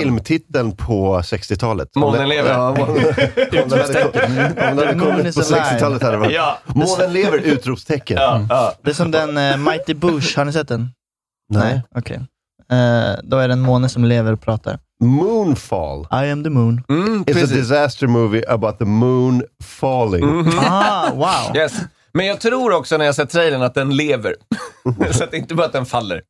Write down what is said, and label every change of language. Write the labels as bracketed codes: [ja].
[sv] Filmtiteln på 60-talet. Månen lever. Om det hade kommit på 60-talet hade det varit. Månen lever, utropstecken. Ja, ja. Det är som den Mighty Boosh, har ni sett den? Nej. Okej. Då är det en måne som lever och pratar. Moonfall. [en] I am the moon. It's a disaster movie about the moon falling. Mm-hmm. Ah, wow. Yes. [sv] Men jag tror också när jag ser trailern att den lever. Så att det inte bara att den faller.